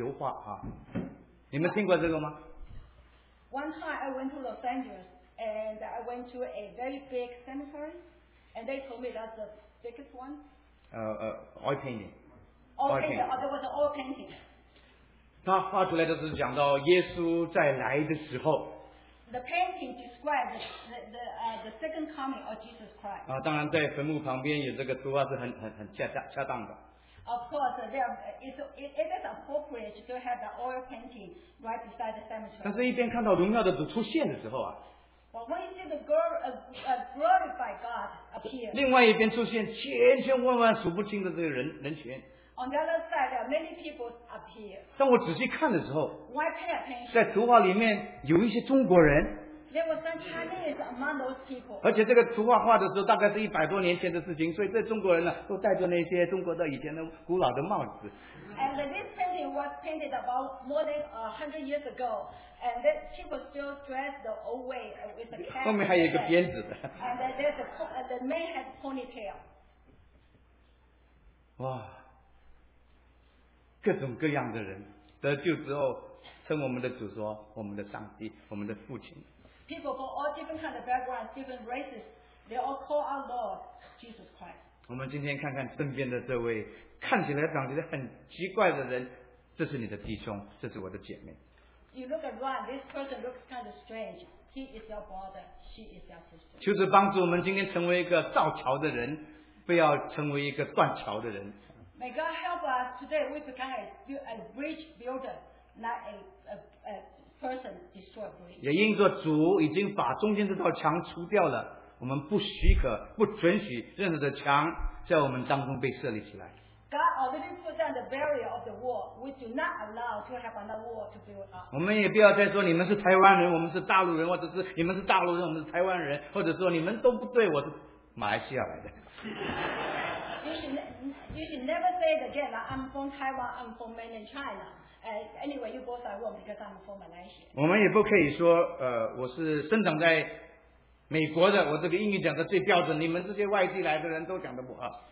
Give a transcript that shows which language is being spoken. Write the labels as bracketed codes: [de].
[zh] 我有一次到洛杉矶去到一个墓园旁边，看到据说是全世界最大的一幅图画之一，油画啊。你们听过这个吗？ [en] One time I went to Los Angeles and I went to a very big cemetery and they told me that's the biggest one. Oil painting. Oil painting. Oh, there was an oil painting. [zh] 他画出来的是讲到耶稣再来的时候。The [en] painting describes the second coming of Jesus Christ. [zh] 当然在坟墓旁边有这个图画是很恰当的。Of [en] course, it is appropriate to have the oil painting right beside the cemetery. [zh] 但是一边看到荣耀的主出现的时候啊。Well, [en] when you see the glorified God appear. [zh] 另外一边出现千千万万数不清的这个人群。 [en] On the other side, there are many people up here. [zh] 当我仔细看的时候， [en] Why pay attention? [zh] 在图画里面有一些中国人， [en] There was some Chinese among those people. [zh] 而且这个图画画的时候，大概是100多年前的事情，所以这中国人呢，都戴着那些中国的以前的古老的帽子。 [en] And this painting was painted about more than 100 years ago, and that she was still dressed the old way with a cap. [zh] 后面还有一个辫子的。 [en] And there's a the man had ponytail. [zh] 哇，各种各样的人得救之后。称我们的主说，我们的上帝，我们的父亲。 [en] People from all different kind of backgrounds, different races, they all call our Lord Jesus Christ. [zh] 我们今天看看身边的这位看起来长得很奇怪的人，这是你的弟兄，这是我的姐妹。 [en] You look around, this person looks kind of strange. He is your brother, she is your sister. [zh] 求主帮助我们今天成为一个造桥的人，不要成为一个断桥的人。 [en] May God help us today. We become a bridge builder. Not a person destroyed bridge. [zh] 也因着主已经把中间这道墙除掉了，我们不许可、不准许任何的墙在我们当中被设立起来。 [en] God already put down the barrier of the wall. We do not allow to have another wall to build up. [zh] 我们也不要再说你们是台湾人，我们是大陆人，或者是你们是大陆人，我们是台湾人，或者说你们都不对，我是马来西亚来的。 [en] You should never say it again. Like, I'm from Taiwan. I'm from mainland China. Anyway, you both are wrong because I'm from Malaysia. [zh] 我们也不可以说，我是生长在美国的，我这个英语讲的最标准。你们这些外地来的人都讲的不好。